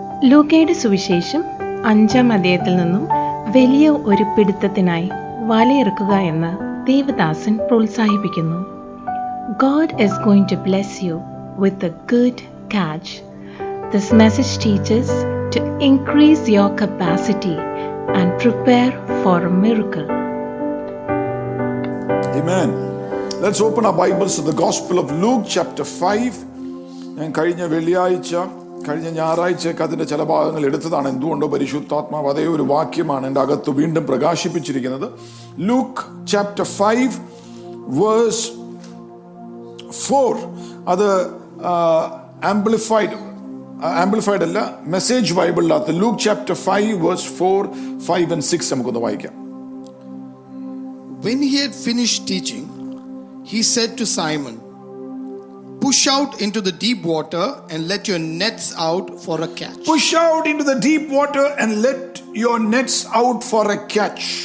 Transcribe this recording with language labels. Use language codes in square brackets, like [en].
[ml] ലൂക്കയുടെ സുവിശേഷം അഞ്ചാം അധ്യായത്തിൽ നിന്നും വലിയ ഒരു പിടുത്തത്തിനായി വലയിറക്കുക എന്ന് ദേവദാസൻ പ്രോത്സാഹിപ്പിക്കുന്നു. [en] God is going to bless you with a good catch. This message teaches to increase your capacity and prepare for a miracle. Amen. Let's open our Bibles to the Gospel of Luke chapter 5. [ml] ഞാൻ കഴിഞ്ഞ വെള്ളിയാഴ്ച കഴിഞ്ഞ ഞായറാഴ്ചയൊക്കെ അതിൻ്റെ ചില ഭാഗങ്ങൾ എടുത്തതാണ്. എന്തുകൊണ്ടോ പരിശുദ്ധാത്മാവ് അതേ ഒരു വാക്യമാണ് എൻ്റെ അകത്ത് വീണ്ടും പ്രകാശിപ്പിച്ചിരിക്കുന്നത്. ലൂക്ക് ചാപ്റ്റർ 5:4 അത് ആംപ്ലിഫൈഡ് അല്ല, മെസ്സേജ് ബൈബിളിനകത്ത് ലൂക്ക് ചാപ്റ്റർ 5:4, 5, and 6 നമുക്കൊന്ന് വായിക്കാം. [en] When he had finished teaching, he said to Simon, push out into the deep water and let your nets out for a catch. Push out into the deep water and let your nets out for a catch.